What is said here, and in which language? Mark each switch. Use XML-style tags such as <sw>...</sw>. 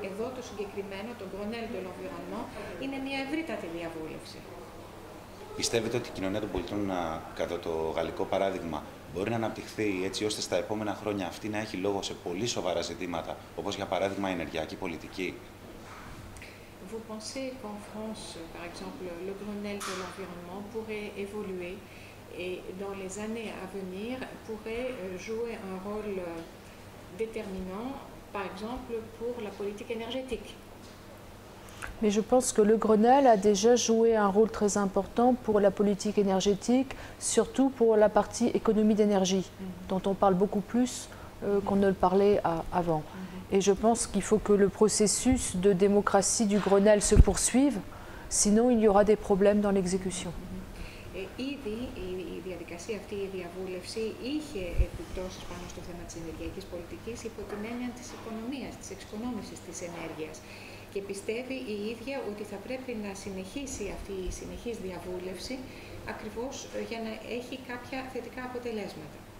<el>Εδώ το συγκεκριμένο, τον Grenelle de l'Environnement, είναι μια ευρύτατη διαβούλευση. Πιστεύετε ότι η κοινωνία των πολιτών, κατά το γαλλικό παράδειγμα, μπορεί να αναπτυχθεί έτσι ώστε στα επόμενα χρόνια αυτή να έχει λόγο σε πολύ σοβαρά ζητήματα, όπως για παράδειγμα η ενεργειακή πολιτική?</el> <fr>Vous pensez qu'en France, par exemple, le Grenelle de l'environnement pourrait évoluer et dans les années à venir pourrait jouer un rôle déterminant, par exemple, pour la politique énergétique? Mais je pense que le Grenelle a déjà joué un rôle très important pour la politique énergétique, surtout pour la partie économie d'énergie, dont on parle beaucoup plus qu'on ne le parlait avant. Et je pense qu'il faut que le processus de démocratie du Grenelle se poursuive, sinon il y aura des problèmes dans l'exécution.</fr> <el>Ήδη η διαδικασία αυτή, η διαβούλευση, είχε επιπτώσεις πάνω στο θέμα της ενεργειακής πολιτικής υπό την έννοια της οικονομίας, της εξοικονόμησης της ενέργειας. Και πιστεύει η ίδια ότι θα πρέπει να συνεχίσει αυτή η συνεχής διαβούλευση ακριβώς για να έχει κάποια θετικά αποτελέσματα.</el>